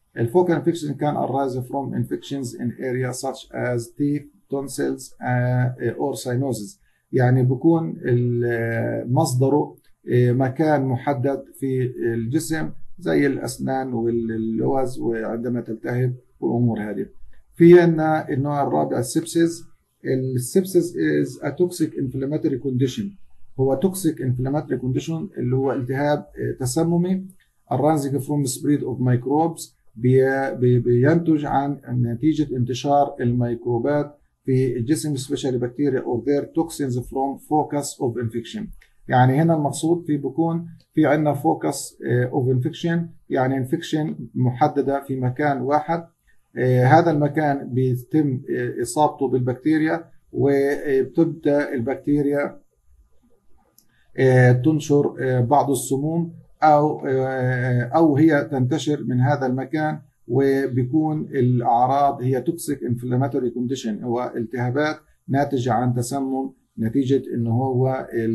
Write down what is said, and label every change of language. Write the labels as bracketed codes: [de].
[en] الفوكال انفكشن كان ارايز فروم انفكشنز ان اريا ساتش از تي tonsils or sinuses. [ar] يعني بكون مصدره مكان محدد في الجسم زي الأسنان واللوز وعندما تلتهب والأمور هذه. في عندنا النوع الرابع السبسيس. [en] السبسيس is a toxic inflammatory condition. هو toxic inflammatory condition [ar] اللي هو التهاب تسممي [en] arising from spread of microbes [ar] بينتج عن نتيجة انتشار الميكروبات في الجسم [en] especially bacteria or their toxins from focus of infection. [ar] يعني هنا المقصود في بكون في عندنا [en] focus of infection [ar] يعني infection محددة في مكان واحد. هذا المكان بيتم إصابته بالبكتيريا وبتبدأ البكتيريا تنشر بعض السموم أو هي تنتشر من هذا المكان وبيكون الأعراض هي [en] toxic inflammatory condition [ar] والتهابات ناتجة عن تسمم نتيجة أنه هو